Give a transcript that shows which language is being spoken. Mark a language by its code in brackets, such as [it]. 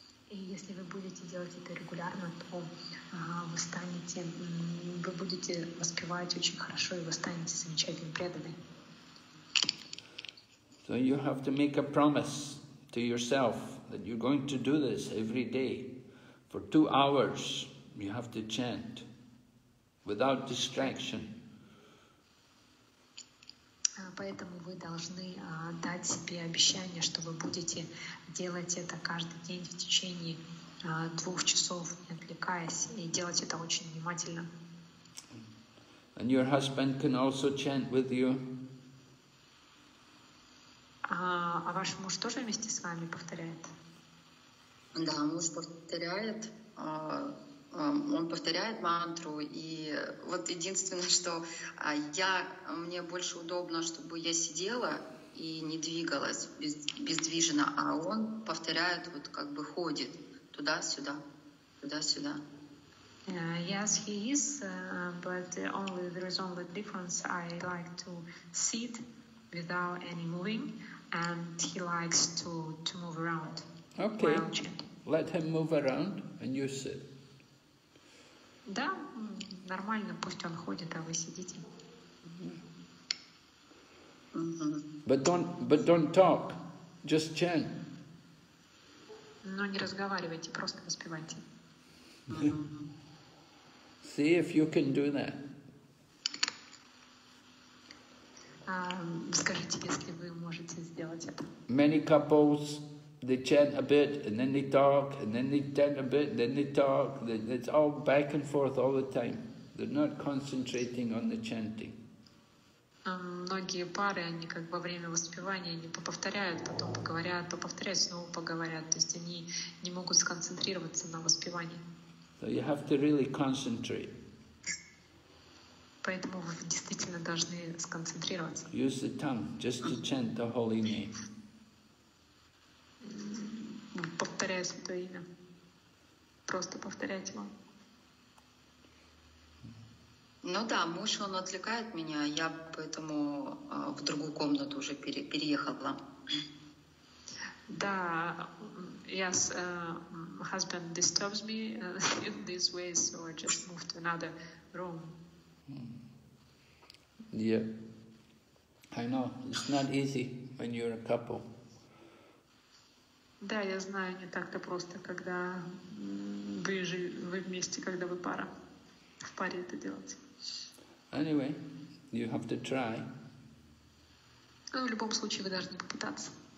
[ru] И если вы будете делать это регулярно, то вы станете, вы будете воспевать очень хорошо, и вы станете замечательным преданным. [en] So you have to make a promise to yourself that you're going to do this every day. For 2 hours you have to chant without distraction. [ru] Поэтому вы должны дать себе обещание, что вы будете делать это каждый день в течение 2 часов, не отвлекаясь, и делать это очень внимательно. [en] And your husband can also chant with you. [ru] А ваш муж тоже вместе с вами повторяет? Да, муж повторяет. Он повторяет мантру, и вот единственное, что мне больше удобно, чтобы я сидела и не двигалась бездвижно, а он повторяет, вот как бы ходит туда-сюда, туда-сюда. [en] Yes, he is, but only there is only difference. I like to sit without any moving, and he likes to move around. Okay, let him move around, and you sit. [ru] Да, нормально, пусть он ходит, а вы сидите. [en] But don't talk, just chant. [ru] Но не разговаривайте, просто воспевайте. [en] See if you can do that. [ru] Скажите, если вы можете сделать это. [en] Many couples, they chant a bit, and then they talk, and then they chant a bit, then they talk. It's all back and forth all the time. They're not concentrating on the chanting. [ru] Многие пары, они как во время воспевания, они повторяют, потом поговорят, то повторяют, снова поговорят. То есть они не могут сконцентрироваться на воспевании. [en] So you have to really concentrate. [ru] Поэтому вы действительно должны сконцентрироваться. [en] Use the tongue just to chant the holy name. [ru] Повторяю Святое Имя. Просто повторять его. Ну да, муж, он отвлекает меня, я поэтому в другую комнату уже переехала. [en] Да, yes, husband disturbs me in this way, so I just moved to another room. Yeah, I know, it's not easy when you're a couple. [ru] Да, я знаю, не так-то просто, когда вы вместе, когда вы пара, в паре это делать. [en] Anyway, you have to try. [ru] Ну, в любом случае, вы должны попытаться.